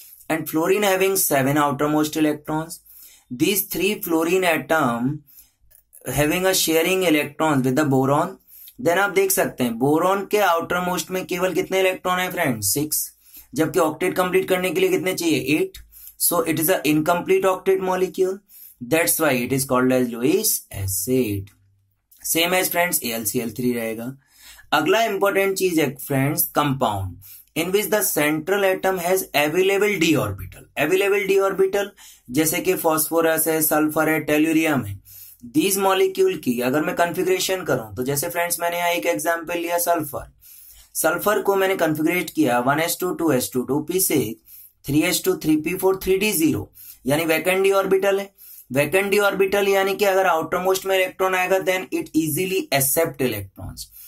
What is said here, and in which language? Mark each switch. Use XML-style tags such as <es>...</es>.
<en>And fluorine having 7 outermost electrons.</en> <hi>These</hi> <en>Three fluorine atom having a sharing electrons with the boron. Then</en> <hi>आप देख सकते हैं boron के</hi> <en>outer most</en> <hi>में केवल कितने electron है friends? 6. जबकि octet complete करने के लिए कितने चाहिए?</hi> <en>8. So it is a incomplete octet molecule. That's why it is called as Lewis acid. Same as friends AlCl3</en> <hi>रहेगा. अगला</hi> <en>important</en> <hi>चीज है</hi> <en>friends compound in which the central atom has available d orbital. Available d orbital</en> <hi>जैसे कि phosphorus है, sulfur है, tellurium है.</hi> <en>these molecule</en> <hi>की अगर मैं कॉन्फ़िगरेशन करूं तो जैसे फ्रेंड्स मैंने यहाँ एक एग्जांपल लिया सल्फर. सल्फर को मैंने कॉन्फ़िगरेट किया 1s2 2s2 2p6 3s2 3p4 3d0. यानी वैकेंट डी ऑर्बिटल है. वैकेंट डी ऑर्बिटल यानी कि अगर आउटर मोस्ट में इलेक्ट्रॉन आएगा</hi> <en>Then it easily accept electrons.</en>